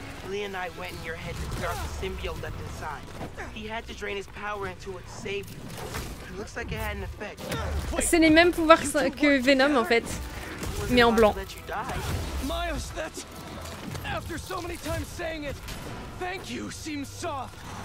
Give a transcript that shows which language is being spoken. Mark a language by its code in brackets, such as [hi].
[en] Lee and I went in your head to clear out the symbiote left inside. He had to drain his power into it to save you. It looks like it had an effect. [fr] C'est les mêmes pouvoirs que Venom en fait, mais en blanc. [en] Miles, that's... After so many times saying it, thank you seems soft.